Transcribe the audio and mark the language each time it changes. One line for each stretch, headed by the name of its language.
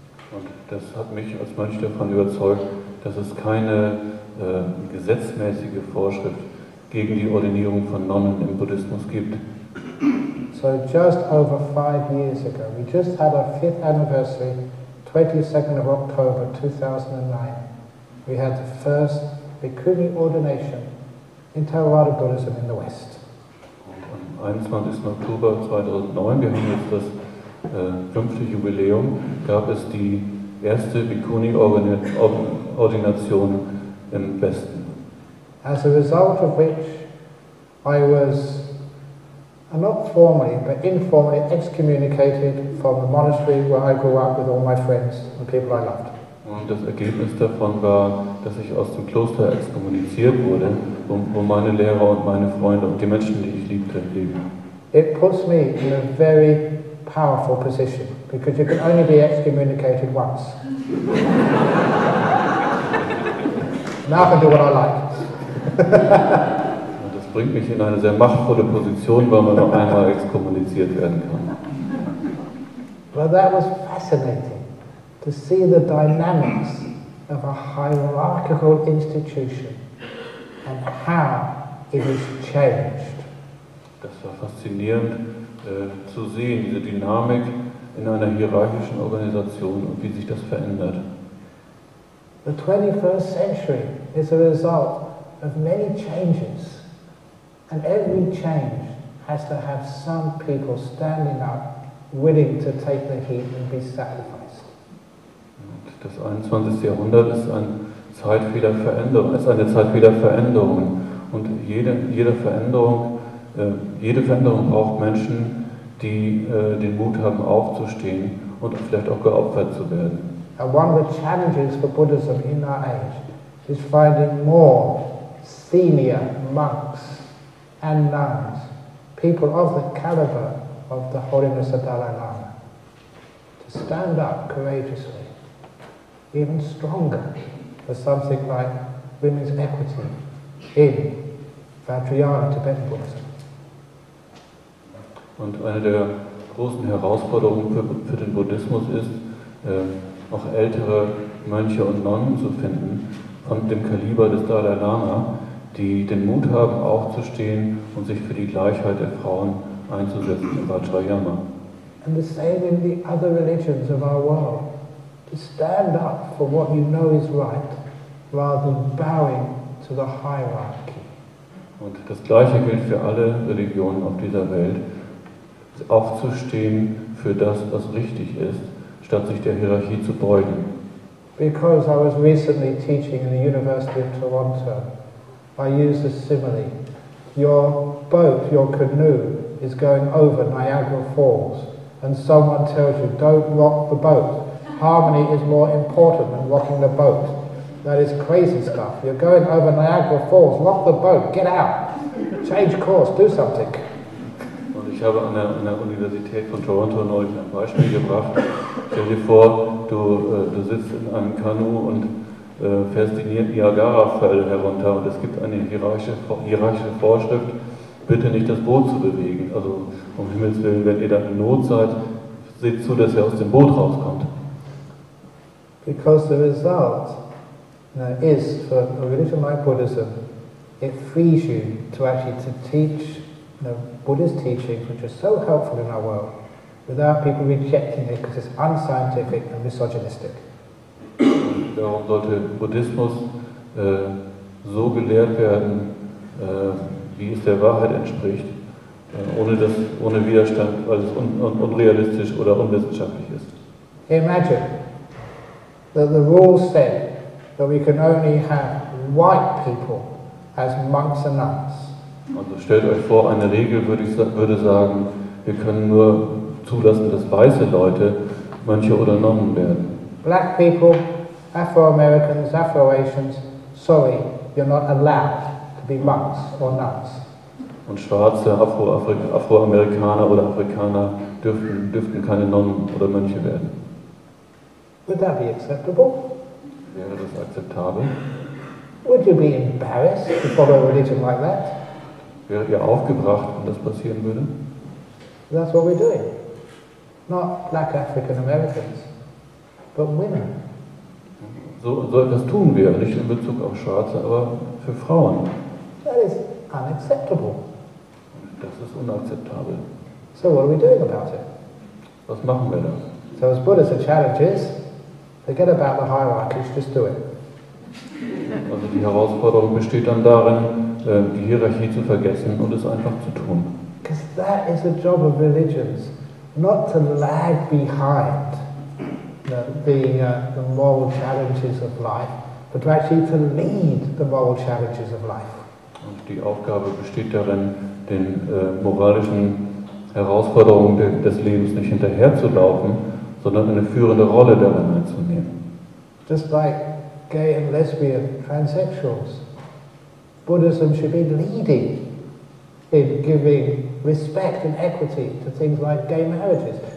German: Und das hat mich als Mönch davon überzeugt, dass es keine gesetzmäßige Vorschrift gegen die Ordinierung von Nonnen im Buddhismus gibt.
English: So just over 5 years ago, we just had our 5th anniversary, 22nd of October 2009, we had the first bhikkhuni ordination in Theravada Buddhism in the West.
German: Und am 21. Oktober 2009, wir haben jetzt das 5. Jubiläum, gab es die erste bhikkhuni Ordination im Westen.
English: As a result of which, I was not formally, but informally excommunicated from the monastery where I grew up with all my friends and people I loved.
German: Und das Ergebnis davon war, dass ich aus dem Kloster exkommuniziert wurde, wo meine Lehrer und meine Freunde und die Menschen, die ich liebte, leben.
English: It puts me in a very powerful position, because you can only be excommunicated once. Now I can do what I like.
German: Das bringt mich in eine sehr machtvolle Position, weil man nur einmal exkommuniziert werden kann.
English: But that was fascinating to see the dynamics of a hierarchical institution and how it has changed.
German: Das war faszinierend zu sehen, diese Dynamik in einer hierarchischen Organisation und wie sich das verändert.
English: The 21st century is a result of many changes, and every change has to have some people standing up, willing to take the heat and be sacrificed.
German: Und das 21. Jahrhundert ist eine Zeit vieler Veränderungen. Und jede Veränderung braucht Menschen, die den Mut haben, aufzustehen und vielleicht auch geopfert zu werden.
English: And one of the challenges for Buddhism in our age is finding more senior monks and nuns, people of the caliber of the Holiness of Dalai Lama, to stand up courageously, even stronger, for something like women's equity in Vajrayana Tibetan Buddhism.
German: Und eine der großen Herausforderungen für den Buddhismus ist, auch ältere Mönche und Nonnen zu finden, von dem Kaliber des Dalai Lama, die den Mut haben, aufzustehen und sich für die Gleichheit der Frauen einzusetzen im Vajrayana.
English: And the same in the other religions of our world. To stand up for what you know is right, rather than bowing to the hierarchy.
German: Und das Gleiche gilt für alle Religionen auf dieser Welt. Aufzustehen für das, was richtig ist, statt sich der Hierarchie zu beugen.
English: Because I was recently teaching in the University of Toronto, I used a simile. Your boat, your canoe, is going over Niagara Falls, and someone tells you, don't rock the boat. Harmony is more important than rocking the boat. That is crazy stuff. You're going over Niagara Falls, rock the boat, get out. Change course, do something.
German: Und ich habe an der Universität von Toronto neulich ein Beispiel gebracht. Stell dir vor, du sitzt in einem Kanu und fährst die Niagara-Fälle herunter und es gibt eine hierarchische Vorschrift, bitte nicht das Boot zu bewegen. Also um Himmels Willen, wenn ihr da in Not seid, seht zu, dass ihr aus dem Boot rauskommt.
English: Because the result is, for a religion like Buddhism, it frees you to actually to teach the Buddhist teachings, which are so helpful in our world, without people rejecting it because it's unscientific and misogynistic.
German: Darum sollte Buddhismus so gelehrt werden, wie es der Wahrheit entspricht, ohne Widerstand, weil es unrealistisch oder unwissenschaftlich ist.
English: Imagine that the rule said that we can only have white people as monks and nuns.
German: Also stellt euch vor, eine Regel würde sagen, wir können nur zulassen, dass weiße Leute Mönche oder Nonnen werden.
English: Black people, Afro-Americans, Afro-Asians, sorry, you're not allowed to be monks or nuns.
German: Und Schwarze, Afro-Amerikaner oder Afrikaner dürften keine Nonnen oder Mönche werden.
English: Would that be acceptable?
German: Wäre das akzeptabel?
English: Would you be embarrassed to follow a religion like that?
German: Wäret ihr aufgebracht, wenn das passieren würde?
English: That's what we're doing. Not black African Americans, but women.
German: So etwas tun wir, nicht in Bezug auf Schwarze, aber für Frauen.
English: That is unacceptable.
German: Das ist unakzeptabel.
English: So what are we doing about it?
German: Was machen wir da?
English: So as Buddha's challenge is, forget about the hierarchies, just do it.
German: Also die Herausforderung besteht dann darin, die Hierarchie zu vergessen und es einfach zu tun.
English: Because that is the job of religions, not to lag behind the moral challenges of life, but to actually to lead the moral challenges of life.
German: Und die Aufgabe besteht darin, den moralischen Herausforderungen des Lebens nicht hinterherzulaufen, sondern eine führende Rolle darin einzunehmen.
English: Just like gay and lesbian transsexuals, Buddhism should be leading in giving respect and equity to things like gay marriages.